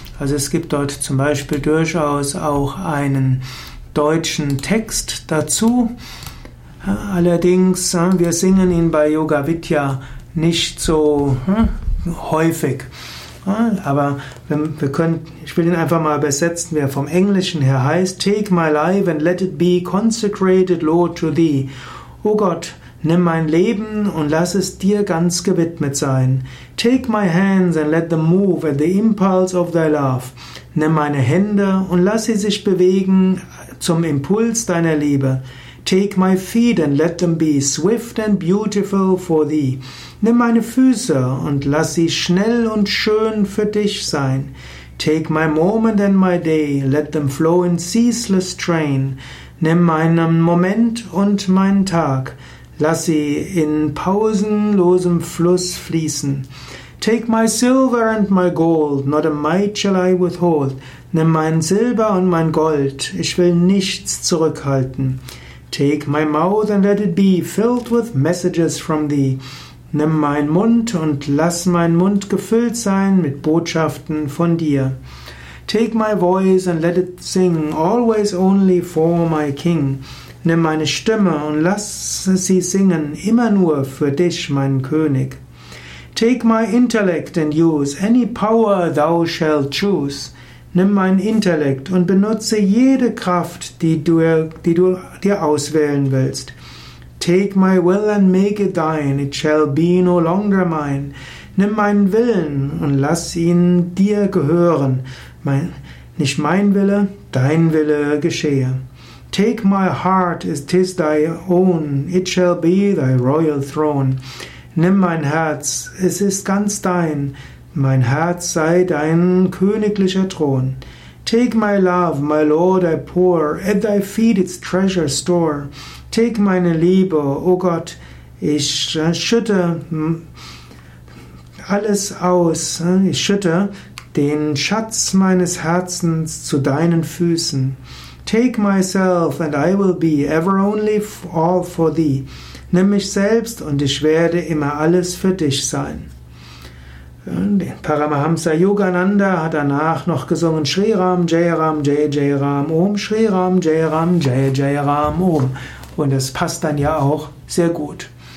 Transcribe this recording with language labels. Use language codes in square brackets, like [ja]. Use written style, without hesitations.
[de] Also es gibt dort zum Beispiel durchaus auch einen deutschen Text dazu. Allerdings, wir singen ihn bei Yoga Vidya nicht so häufig. Aber ich will ihn einfach mal übersetzen, wie er vom Englischen her heißt. [en] Take my life and let it be consecrated, Lord, to thee. [de] O Gott, nimm mein Leben und lass es dir ganz gewidmet sein. [en] Take my hands and let them move at the impulse of thy love. [de] Nimm meine Hände und lass sie sich bewegen zum Impuls deiner Liebe. [en] Take my feet and let them be swift and beautiful for thee. [de] Nimm meine Füße und lass sie schnell und schön für dich sein. [en] Take my moment and my day, let them flow in ceaseless train. [de] Nimm meinen Moment und meinen Tag, lass sie in pausenlosem Fluss fließen. [en] Take my silver and my gold, not a mite shall I withhold. [de] Nimm mein Silber und mein Gold, ich will nichts zurückhalten. [en] Take my mouth and let it be filled with messages from thee. [de] Nimm meinen Mund und lass meinen Mund gefüllt sein mit Botschaften von dir. [en] Take my voice and let it sing always only for my King. [de] Nimm meine Stimme und lass sie singen immer nur für dich, mein König. [en] Take my intellect and use any power thou shalt choose. [de] Nimm mein Intellekt und benutze jede Kraft, die du dir auswählen willst. [en] Take my will and make it thine, it shall be no longer mine. [de] Nimm meinen Willen und lass ihn dir gehören. Nicht mein Wille, dein Wille geschehe. [en] Take my heart, it is thy own, it shall be thy royal throne. [de] Nimm mein Herz, es ist ganz dein. Mein Herz sei dein königlicher Thron. [en] Take my love, my Lord, I pour, at thy feet its treasure store. [de] Take meine Liebe, o Gott, ich schütte den Schatz meines Herzens zu deinen Füßen. [en] Take myself, and I will be ever only all for thee. [de] Nimm mich selbst, und ich werde immer alles für dich sein. Paramahamsa Yogananda hat danach noch gesungen Shri Ram Jai Ram Jai Jai Ram Om Shri Ram Jai Ram Jai Jai Ram Om und es passt dann ja auch sehr gut.